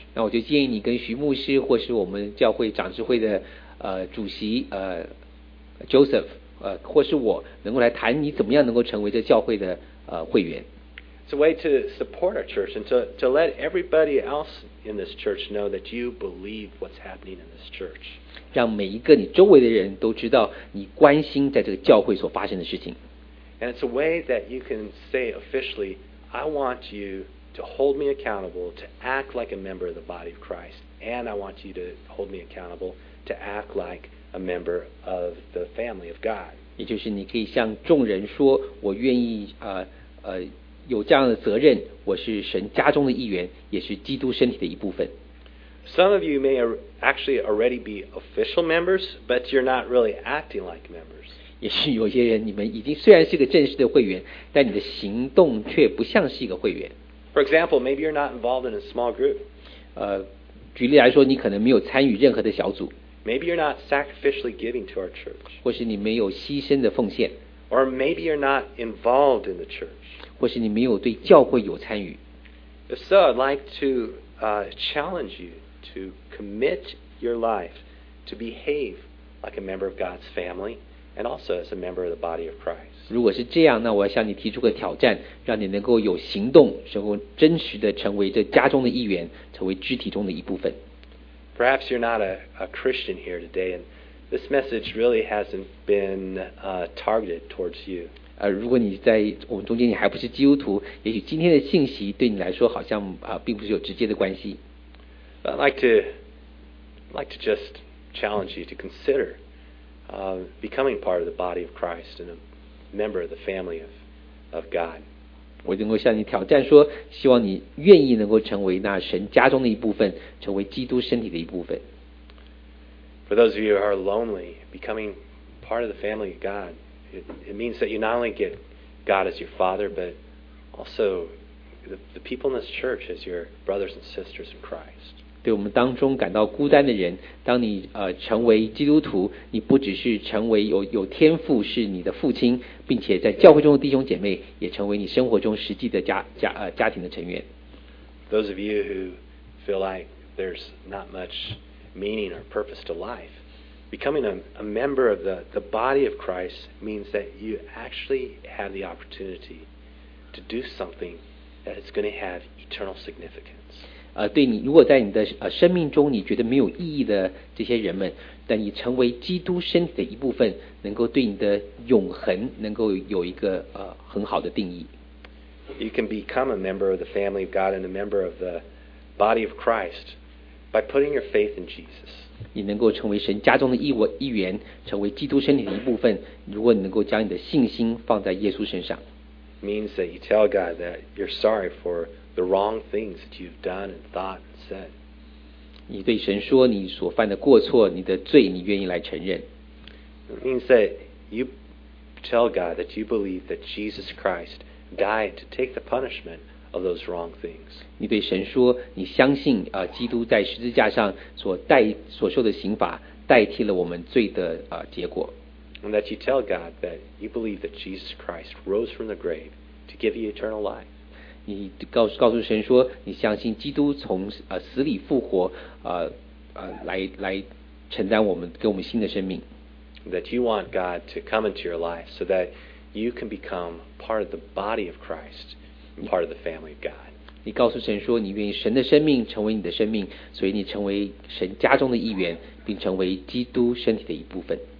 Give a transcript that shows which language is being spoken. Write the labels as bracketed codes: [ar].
[zh] 那我就建议你跟徐牧师或是我们教会长执会的主席Joseph 或是我能够来谈你怎么样能够成为这教会的会员。 [en] It's a way to support our church and to let everybody else in this church know that you believe what's happening in this church. [zh] 让每一个你周围的人都知道你关心在这个教会所发生的事情。 [en] And it's a way that you can say officially, I want youTo hold me accountable, to act like a member of the body of Christ, and I want you to hold me accountable to act like a member of the family of God. [zh] 也就是你可以向众人说，我愿意有这样的责任，我是神家中的一员，也是基督身体的一部分。 [en] Some of you may actually already be official members, but you're not really acting like members. [zh] 也许有些人你们已经虽然是个正式的会员，但你的行动却不像是一个会员。 [en] For example, maybe you're not involved in a small group. [zh] 举例来说，你可能没有参与任何的小组。 [en] Maybe you're not sacrificially giving to our church. [zh] 或是你没有牺牲的奉献。 [en] Or maybe you're not involved in the church. [zh] 或是你没有对教会有参与。 [en] If so, I'd like to challenge you to commit your life to behave like a member of God's family and also as a member of the body of Christ. [zh] 如果是这样，那我要向你提出个挑战，让你能够有行动，能够真实的成为这家中的一员，成为肢体中的一部分。 [en] Perhaps you're not a Christian here today, and this message really hasn't been targeted towards you. [zh] 如果你在我们中间你还不是基督徒，也许今天的信息对你来说好像并不是有直接的关系。 [en] I'd like to just challenge you to consider becoming part of the body of Christ and a member of the family of God. [zh] 我能够向你挑战说，希望你愿意能够成为那神家中的一部分，成为基督身体的一部分。 [en] For those of you who are lonely, becoming part of the family of God, it means that you not only get God as your father, but also the people in this church as your brothers and sisters in Christ. [zh] 对我们当中感到孤单的人，当你成为基督徒，你不只是成为有天父是你的父亲，并且在教会中的弟兄姐妹也成为你生活中实际的家庭的成员。 [en] Those of you who feel like there's not much meaning or purpose to life, becoming a member of the body of Christ means that you actually have the opportunity to do something that is going to have eternal significance. [zh] 对你，如果在你的生命中你觉得没有意义的这些人们，但你成为基督身体的一部分，能够对你的永恒能够有一个很好的定义。 [en] You can become a member of the family of God and a member of the body of Christ by putting your faith in Jesus. [zh] 你能够成为神家中的一员，成为基督身体的一部分，如果你能够将你的信心放在耶稣身上。 [en] Means that you tell God that you're sorry for. The wrong things that you've done and thought and said. [zh] 你对神说你所犯的过错，你的罪，你愿意来承认。 [en] It means that you tell God that you believe that Jesus Christ died to take the punishment of those wrong things. [zh] 你对神说你相信基督在十字架上所受的刑罚，代替了我们罪的结果。 [en] And that you tell God that you believe that Jesus Christ rose from the grave to give you eternal life. [zh] 你告诉神说你相信基督从死里复活来承担我们给我们新的生命。 [en] That you want God to come into your life so that you can become part of the body of Christ and part of the family of God. [zh] 你告诉神说你愿意神的生命成为你的生命，所以你成为神家中的一员，并成为基督身体的一部分。